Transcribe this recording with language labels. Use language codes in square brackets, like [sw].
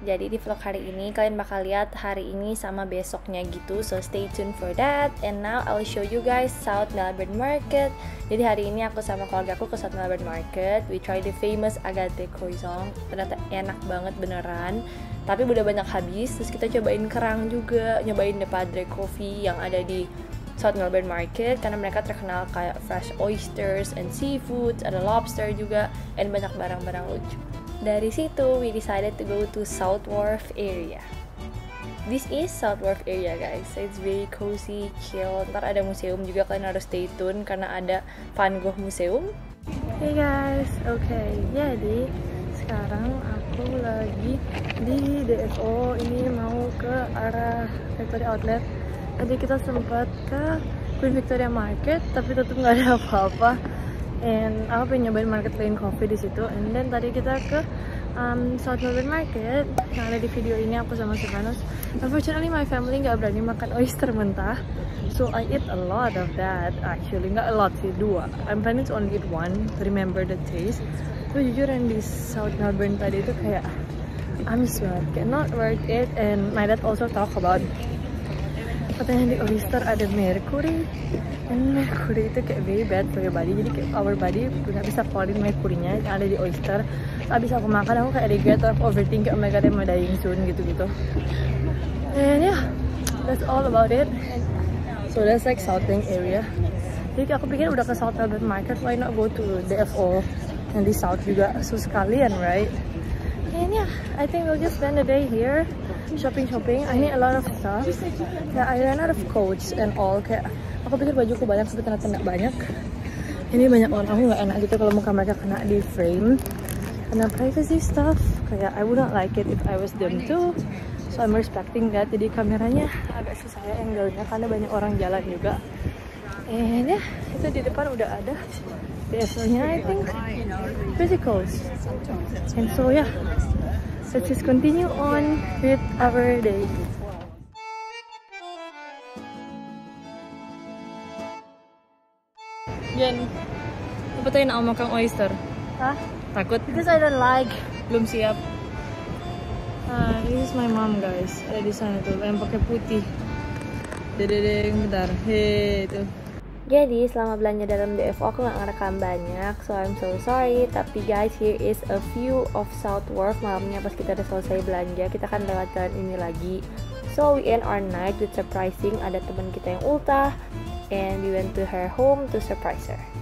[id] Jadi di vlog hari ini kalian bakal lihat hari ini sama besoknya gitu. [en] So stay tuned for that. And now I'll show you guys South Melbourne Market. [id] Jadi hari ini aku sama keluarga aku ke South Melbourne Market. [en] We try the famous Agate Croissant. [id] Ternyata enak banget beneran. Tapi udah banyak habis. Terus kita cobain kerang juga, nyobain the Padre Coffee yang ada di South Melbourne Market, karena mereka terkenal kayak [en] fresh oysters and seafood, [id] ada lobster juga, and banyak barang-barang lucu. Dari situ, [en] we decided to go to South Wharf area. This is South Wharf area, guys. It's very cozy, chill. [id] Ntar ada museum juga, kalian harus stay tune karena ada Van Gogh Museum. Hey guys, okay. Jadi sekarang aku lagi di DFO, ini mau ke arah Victoria Outlet. Tadi kita sempat ke Queen Victoria Market, tapi tetap nggak ada apa-apa. And aku pengen nyobain Market Lane Coffee di situ. And then tadi kita ke South Melbourne Market. Yang ada di video ini aku sama Sivanus. [en] Unfortunately my family [id] nggak berani makan oyster mentah. [en] So I eat a lot of that actually. Nggak a lot sih, dua. I'm planning to only eat one to remember the taste. So [id] jujur yang di South Melbourne tadi itu kayak [en] I'm sorry, cannot worth it. And my dad also talk about [id] katanya di oyster ada mercury. [en] And mercury [id] itu kayak [en] very bad for your body. [id] Jadi kayak [en] our body [id] gak bisa keluarin mercury-nya yang ada di oyster. Abis aku makan aku kayak regret, aku overthink kayak [en] oh my god I'm dying soon [id] gitu-gitu. [en] And yeah, that's all about it. So that's like Southing area. [id] Jadi aku pikir udah ke [en] South Albert Market, why not go to the FO and the South juga, so sekalian, right? And yeah, I think we'll just spend the day here shopping. I need a lot of stuff. Yeah, I ran out of coats and all. [id] Kayak aku pikir bajuku banyak, tapi ternyata nggak banyak. Ini banyak orang, nggak enak gitu kalau muka mereka kena di frame. Kena privacy stuff. [en] Kayak I would not like it if I was them too. So I'm respecting that. [id] Jadi kameranya agak susah ya angle-nya karena banyak orang jalan juga. And yeah, itu di depan udah ada. Biasanya [en] I think physicals. And so yeah, let's just continue on with our day. [id] Jen, apa tuh yang mau makan oyster? Hah? Takut? [en] Because I don't like. [id] Belum siap. [en] This is my mom guys. [id] Ada di sana tuh, yang pakai putih. Dedeng, bentar. Hei, itu. Jadi selama belanja dalam DFO aku gak ngerekam banyak, [en] so I'm so sorry. [id] Tapi guys, [en] here is a view of [id] South Wharf malamnya pas kita udah selesai belanja. Kita kan lewat jalan ini lagi. [en] So we end our night with surprising [id] ada teman kita yang ultah. [en] And we went to her home to surprise her.